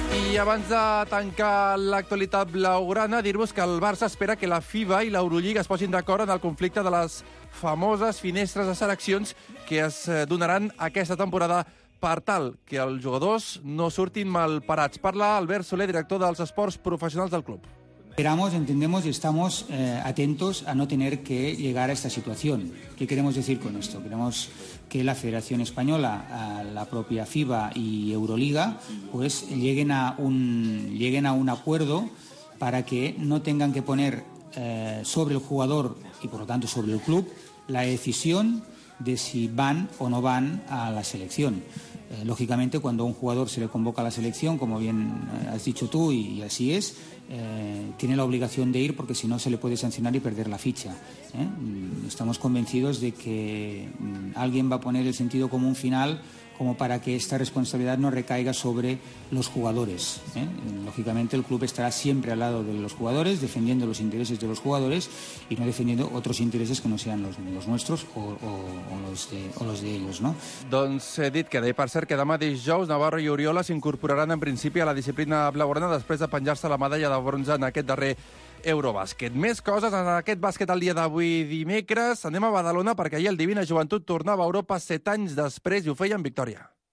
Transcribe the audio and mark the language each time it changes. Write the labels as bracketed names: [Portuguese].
[Catalan] I abans de tancar l'actualitat blaugrana, dir-vos que el Barça espera que la FIBA i l'Euroliga es posin d'acord en el conflicte de les famoses finestres de seleccions que es donaran aquesta temporada per tal que els jugadors no surtin malparats. Parla Albert Soler, director dels esports professionals del club. [Spanish] Esperamos, entendemos y estamos atentos a no tener que llegar a esta situación. ¿Qué queremos decir con esto? Queremos que la Federación Española, la propia FIBA y Euroliga, pues lleguen a un acuerdo para que no tengan que poner sobre el jugador y por lo tanto sobre el club, la decisión de si van o no van a la selección. Lógicamente, cuando a un jugador se le convoca a la selección, como bien has dicho tú, y así es, tiene la obligación de ir, porque si no se le puede sancionar y perder la ficha. Estamos convencidos de que alguien va a poner el sentido común final como para que esta responsabilidad no recaiga sobre los jugadores. Lógicamente, el club estará siempre al lado de los jugadores, defendiendo los intereses de los jugadores y no defendiendo otros intereses que no sean los nuestros o los de ellos, ¿no? [Catalan] Doncs he dit que, per cert, que demà dijous Navarro i Oriola s'incorporaran en principi a la disciplina blaugrana després de penjar-se la medalla de bronze en aquest darrer Eurobàsquet. Més coses en aquest bàsquet el dia d'avui dimecres. Anem a Badalona perquè ahir el Divina Joventut tornava a Europa 7 anys després i ho feia amb victòria.